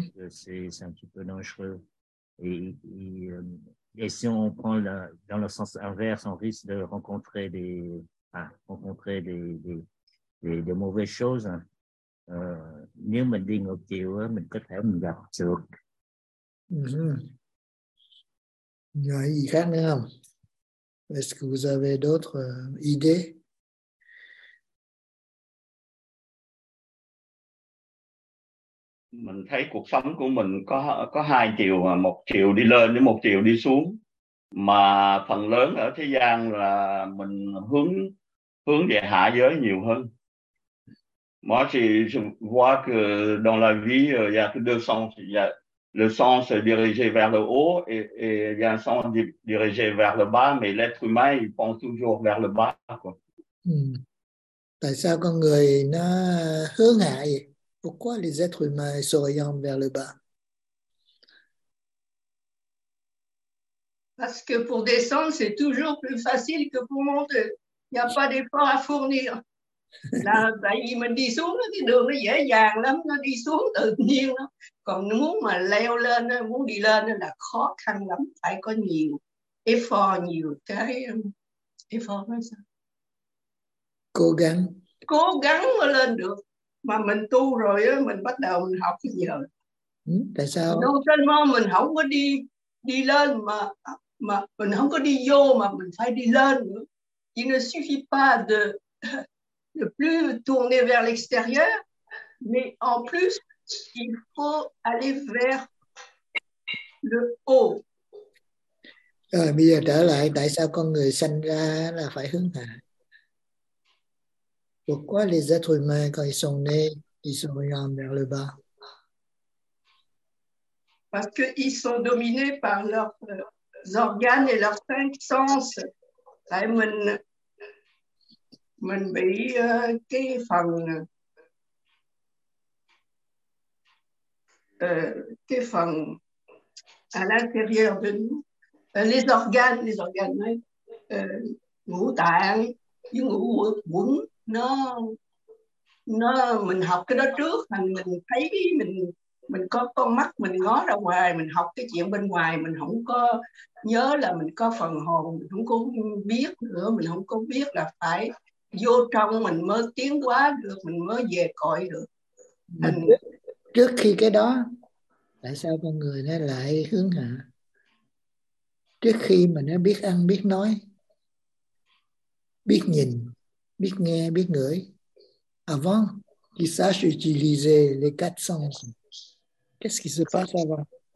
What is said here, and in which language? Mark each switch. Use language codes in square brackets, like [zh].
[fr] C'est un petit peu dangereux. Et si on prend dans le sens inverse, on risque de rencontrer des mauvaises choses. [vi] Nếu mình đi ngược chiều, mình có thể mình gặp trượt. Rồi, gì khác nữa không? [fr] Est-ce que vous avez d'autres idées? [vi] Mình thấy cuộc sống của mình có hai chiều, một chiều đi lên với một chiều đi xuống, mà phần lớn ở thế gian là mình hướng về hạ giới nhiều hơn. [fr] Moi, je vois que dans la vie il y a deux sens, il y a le sens dirigé vers le haut et il y a un sens dirigé vers le bas, mais l'être humain il pense toujours vers le bas quoi. [vi] Tại sao con người nó hướng hạ vậy? [fr] Pourquoi les êtres humains s'orientent vers le bas? Parce que pour descendre, c'est toujours plus facile que pour monter. Il n'y a pas d'effort à fournir. [vi] Là, tại vì mình đi xuống, cái đường nó dễ dàng lắm, nó đi xuống tự nhiên. Còn muốn mà leo lên, muốn đi lên là khó khăn lắm. Phải có nhiều effort, nhiều cái effort nó sao? Cố gắng. Cố gắng mà lên được. Mà mình tu rồi á, mình bắt đầu mình học cái gì rồi. Tại sao? Đâu trên mô mình không có đi lên mà mình không có đi vô mà mình phải đi lên nữa. [fr] Il ne suffit pas de plus tourner vers l'extérieur, Mais en plus, il faut aller vers le haut. [vi] Rồi bây giờ trở lại tại sao con người sanh ra là phải hướng hạ. [fr] Pourquoi les êtres humains quand ils sont nés, ils se regardent vers le bas? Parce qu'ils sont dominés par leurs organes et leurs cinq sens. [vi] Tại mình bị cái phần cái phần [fr] à l'intérieur de nous. Les organes, [vi] ngũ tạng, với ngũ quẩn, nó mình học cái đó trước, thành mình thấy mình có con mắt, mình ngó ra ngoài, mình học cái chuyện bên ngoài, mình không có nhớ là mình có phần hồn, mình không có biết nữa, mình không có biết là phải vô trong mình mới tiến hóa được, mình mới về cõi được. Trước khi cái đó, tại sao con người nó lại hướng hạ? Trước khi mà nó biết ăn, biết nói, biết nhìn, biết nghe, biết ngửi. [fr] Avant qu'il sache utiliser les quatre sens. Qu'est-ce qui se passe avant?